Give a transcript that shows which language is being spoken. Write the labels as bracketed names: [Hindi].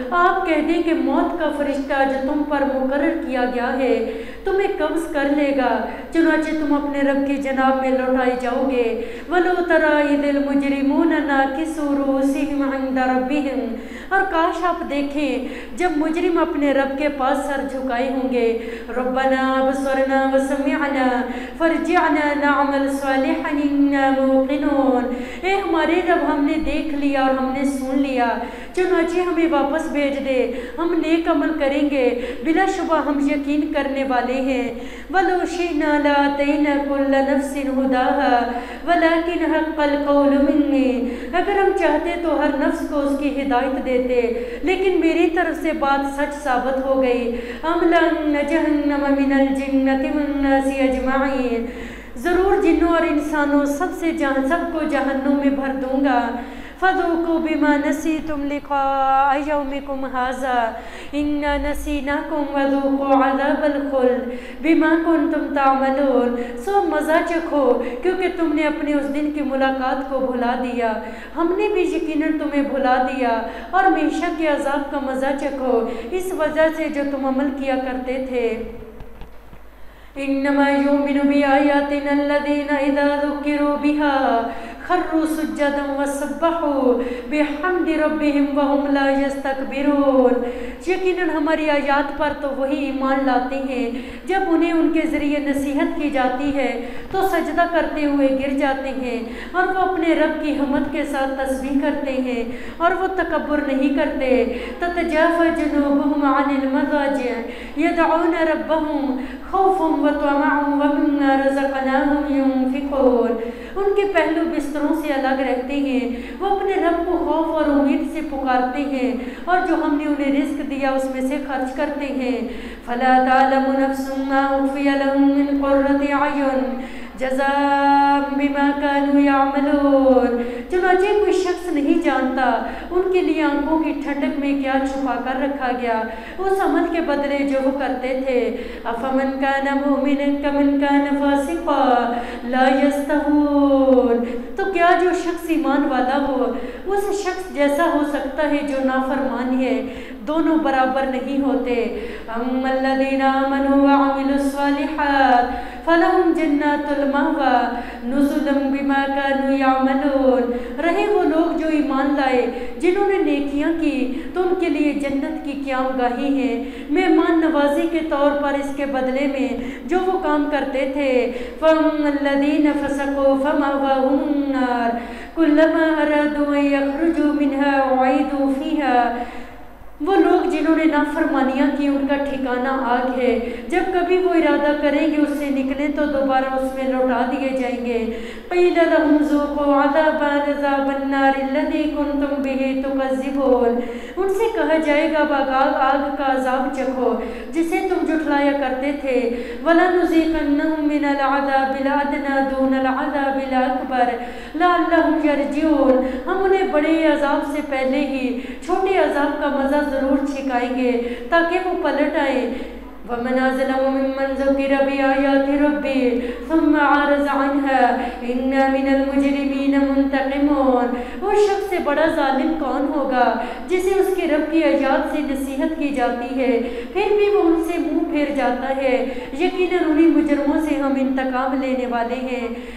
[Urdu] آپ کہہ دیں کہ موت کا فرشتہ جو تم پر مقرر کیا گیا ہے تمہیں قبض کر لے گا, چنانچہ تم اپنے رب کی جناب میں لوٹائے جاؤ گے. [Arabic] وَلَوْ تَرَى إِذِ الْمُجْرِمُونَ نَاكِسُوا رُءُوسَهُمْ عِندَ رَبِّهِمْ. [Urdu] اور کاش آپ دیکھیں جب مجرم اپنے رب کے پاس سر جھکائے ہوں گے. [Arabic] ربنا بصرنا وسمعنا فرجعنا نعمل صالحا اننا موقنون. [Urdu] اے ہمارے رب, ہم نے دیکھ لیا اور ہم نے سن لیا, چنانچہ ہمیں واپس بھیج دے, ہم نیک عمل کریں گے, بلا شبہ ہم یقین کرنے والے ہیں. [Arabic] ولو شئنا لآتینا کل نفس ہداها ولكن حق القول منی. [Urdu] اگر ہم چاہتے تو ہر نفس کو اس کی ہدایت دیتے, لیکن میری طرف سے بات سچ ثابت ہو گئی. [Arabic] املن جہنم من الجنۃ والناس اجمعین. [Urdu] ضرور جنوں اور انسانوں سب سے جان سب کو جہنم میں بھر دوں گا. [Arabic] فذوقوا بما نسيتم لقاء يومكم هذا إنا نسيناكم وذوقوا عذاب الخلد بما كنتم تعملون. [Urdu] سو مزہ چکھو کیونکہ تم نے اپنے اس دن کی ملاقات کو بھلا دیا, ہم نے بھی یقیناً تمہیں بھلا دیا, اور ہمیشہ کے عذاب کا مزہ چکھو اس وجہ سے جو تم عمل کیا کرتے تھے. [Arabic] انما يؤمن بآياتنا الذين اذا ذكروا بها خروا سجدا وسبحوا بحمد ربهم وهم لا يستكبرون. [Urdu] یقیناً ہماری آیات پر تو وہی ایمان لاتے ہیں جب انہیں ان کے ذریعے نصیحت کی جاتی ہے تو سجدہ کرتے ہوئے گر جاتے ہیں, اور وہ اپنے رب کی حمد کے ساتھ تسبیح کرتے ہیں, اور وہ تکبر نہیں کرتے. [Arabic] تتجافى جنوبهم عن المضاجع يدعون ربهم خوفا وطمعا ومما رزقناهم ينفقون. [Urdu] ان کے پہلو بستروں سے الگ رہتے ہیں, وہ اپنے رب کو خوف اور امید سے پکارتے ہیں, اور جو ہم نے انہیں رزق دیا اس میں سے خرچ کرتے ہیں. [Arabic] فلا تعلم نفس ما اخفي لهم من قرة اعین جزاء بما كانوا يعملون. [Urdu] چنانچہ کوئی شخص نہیں جانتا ان کے لیے آنکھوں کی ٹھنڈک میں کیا چھپا کر رکھا گیا اس عمل کے بدلے جو وہ کرتے تھے. [Arabic] افمن كان مؤمنا كمن كان فاسقا لا يستوون. [Urdu] تو کیا جو شخص ایمان والا ہو اس شخص جیسا ہو سکتا ہے جو نافرمان ہے, دونوں برابر نہیں ہوتے. [Arabic] ام الذين امنوا وعملوا الصالحات فلهم جنات المأوى نزلا بما كانوا يعملون. [Urdu] رہے وہ لوگ جو ایمان لائے جنہوں نے نیکیاں کی تو ان کے لیے جنت کی قیام گاہی ہے مہمان نوازی کے طور پر اس کے بدلے میں جو وہ کام کرتے تھے. [Arabic] فهم الذين فسقوا فمأواهم النار كلما ارادوا ان يخرجوا منها اعيدوا فيها. [Urdu] وہ لوگ جنہوں نے نافرمانیاں کی ان کا ٹھکانہ آگ ہے, جب کبھی وہ ارادہ کریں گے اس سے نکلیں تو دوبارہ اس میں لوٹا دیے جائیں گے. [Arabic] قیل لهم ذوقوا عذاب النار الذي كنتم به تكذبون. [Urdu] ان سے کہا جائے گا باغال آگ کا عذاب چکھو جسے تم جھٹلایا کرتے تھے. [Arabic] ولنذيقنهم من العذاب الادنى دون العذاب الاكبر لعلهم يرجعون. [Urdu] ہم انہیں بڑے عذاب سے پہلے ہی چھوٹے عذاب کا مزہ ضرور چھکائیں گے تاکہ وہ پلٹ آئے. [Arabic] وَمَنْ أَظْلَمُ مِمَّنْ ذُكِّرَ بِآيَاتِ رَبِّهِ ثُمَّ أَعْرَضَ عَنْهَا إِنَّا مِنَ الْمُجْرِمِينَ مُنْتَقِمُونَ. [Urdu] وہ شخص سے بڑا ظالم کون ہوگا جسے اس کے رب کی آیات سے نصیحت کی جاتی ہے پھر بھی وہ ان سے منہ پھیر جاتا ہے, یقیناً انہیں مجرموں سے ہم انتقام لینے والے ہیں.